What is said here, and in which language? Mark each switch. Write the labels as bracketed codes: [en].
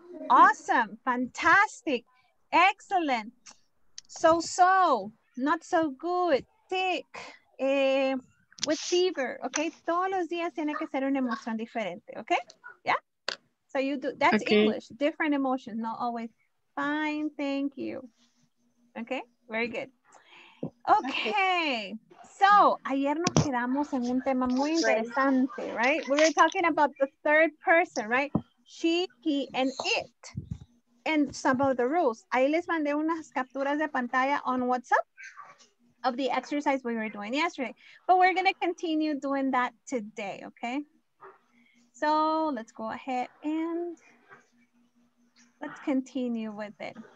[en] Awesome, fantastic, excellent, so-so, not so good, sick, with fever, okay? [es] Todos los días tiene que ser una emoción diferente, okay? [en] Yeah? So you do, that's okay. English, different emotions, not always. Fine, thank you. Okay, very good. [es] Okay, so, ayer nos quedamos en un tema muy interesante, right? [en] We were talking about the third person, right? She, he, and it, and some of the rules. [es] Ahí les mandé unas capturas de pantalla [en] on WhatsApp of the exercise we were doing yesterday. But we're going to continue doing that today, okay? So let's go ahead and let's continue with it.